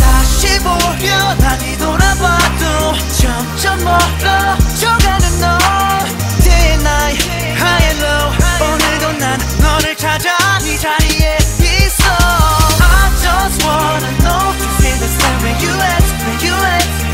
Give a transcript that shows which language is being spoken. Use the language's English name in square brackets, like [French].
[Korean] 다시 보면 아니 돌아봐도 점점 멀어져가는 너. [English] Day and night, high and low. [Korean] 오늘도 난 너를 찾아 네 자리에 있어. [English] I just wanna know to feel the same where you at, where you at.